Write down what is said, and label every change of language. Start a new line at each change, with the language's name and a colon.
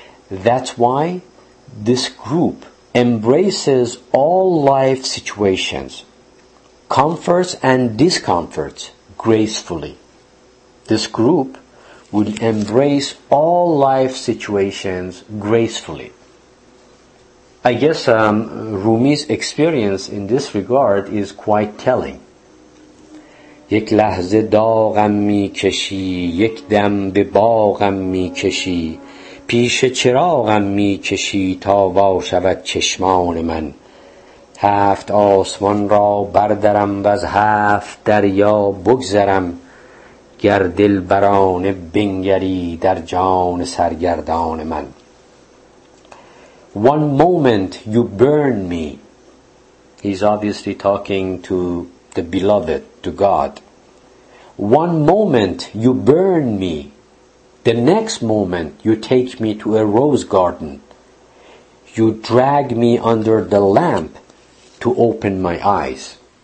English: That's why this group embraces all life situations, comforts and discomforts, gracefully. This group will embrace all life situations gracefully. I guess Rumi's experience in this regard is quite telling.
Persian: یک لحظه داغم می کشی، یک دم به باغم می کشی، پیش چراغم می کشی تا وا شود چشمان من. هفت آسمان را بردرم و از هفت دریا بگذرم، گر دل برانه بنگری در جان سرگردان من.
English: One moment you burn me. He's obviously talking to the beloved, to God. One moment you burn me. The next moment you take me to a rose garden. You drag me under the lamp to open my eyes.